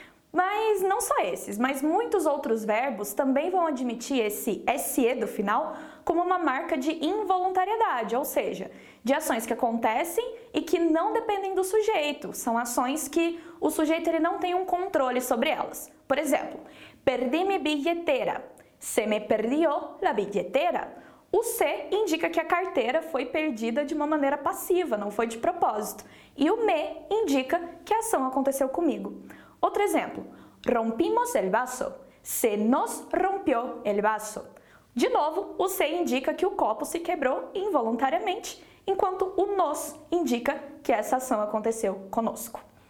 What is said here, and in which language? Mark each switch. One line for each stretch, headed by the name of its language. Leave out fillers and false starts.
Portuguese: Mas não só esses, mas muitos outros verbos também vão admitir esse se do final como uma marca de involuntariedade, ou seja, de ações que acontecem e que não dependem do sujeito. São ações que o sujeito ele não tem um controle sobre elas.
Spanish: Por exemplo, perdi mi billetera. Se me perdió la billetera.
Portuguese: O se indica que a carteira foi perdida de uma maneira passiva, não foi de propósito. E o me indica que a ação aconteceu comigo. Outro exemplo,
Spanish: rompimos el vaso. Se nos rompió el vaso.
Portuguese: De novo, o se indica que o copo se quebrou involuntariamente, enquanto o nos indica que essa ação aconteceu conosco.